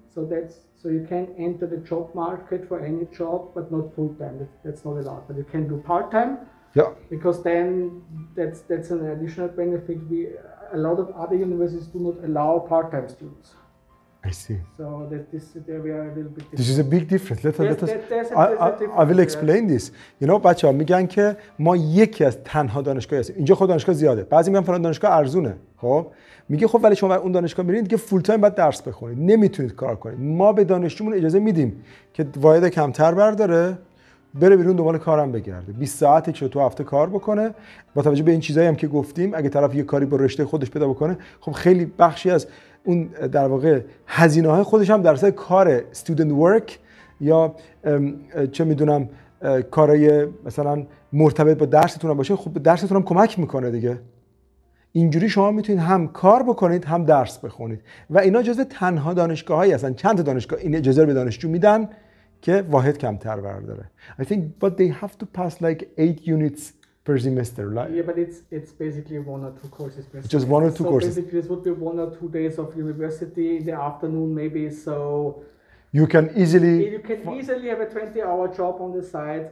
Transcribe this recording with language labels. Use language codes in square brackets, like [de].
[en] So you can enter the job market for any job, but not full-time. That's not allowed, but you can do part-time. Yeah. Because then that's an additional benefit. A lot of other universities do not allow part-time students. I see. So there we are a little bit different. This is a big difference. I will explain this. You know, [fa] بچه ها میگن که ما یکی از تنها دانشگاهی هستیم. اینجا خود دانشگاه زیاده. بعضی میگن فلان دانشگاه ارزونه. خب؟ میگه خب ولی شما برای اون دانشگاه میرین دیگه فول تایم باید درس بخونید. نمیتونید کار کنید. ما به دانشجومون اجازه میدیم که واحد کمتر برداره. بره بیرون دنبال کارم بگرده 20 ساعته که تو هفته کار بکنه. با توجه به این چیزایی هم که گفتیم اگه طرف یه کاری با رشته خودش پیدا بکنه، خب خیلی بخشی از اون در واقع هزینه های خودش هم در اثر کار [en] student work [fa] یا چه میدونم کارهای مثلا مرتبط با درستون هم باشه، خب درستون هم کمک میکنه دیگه. اینجوری شما میتونید هم کار بکنید هم درس بخونید و اینا جز تنها دانشگاه هایی هستن. چند دانشگاه این اجازه رو به دانشجو میدن که واحد کمتر برداره. [en] I think, but they have to pass like 8 units per semester, right? Yeah, but it's basically one or two courses per semester. Just one or two so courses. So basically this would be one or two days of university in the afternoon maybe, so... You can easily have a 20-hour job on the side.